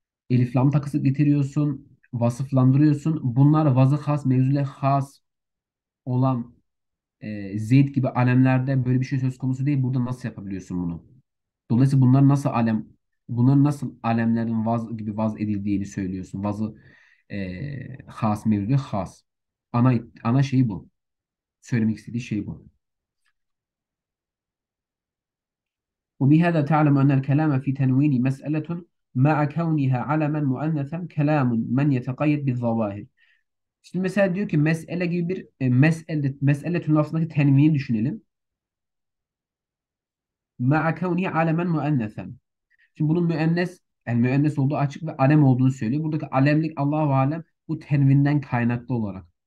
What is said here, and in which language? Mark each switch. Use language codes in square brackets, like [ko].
[tr] Elif lam takısı getiriyorsun. Vasıflandırıyorsun. Bunlar vazı has, mevzule has olan zeyt gibi alemlerde böyle bir şey söz konusu değil. Burada nasıl yapabiliyorsun bunu? Dolayısıyla bunların nasıl alemlerin vaz gibi vaz edildiğini söylüyorsun. Vazı has mevzu has. Ana şeyi bu. Söylemek istediği şey bu. [ar] وبهذا تعلم أن الكلام في تنوين مسألة مع كونها علما مؤنثا كلام من يتقيد بالظواهر. [tr] Şimdi mesela diyor ki mesele gibi bir mesele tüm lafındaki tenvini düşünelim. [ar] Ma'a kavni alemen muennesen. [tr] Şimdi bunun müennes olduğu açık ve alem olduğunu söylüyor. Buradaki alemlik Allahu alem bu tenvinden kaynaklı olarak.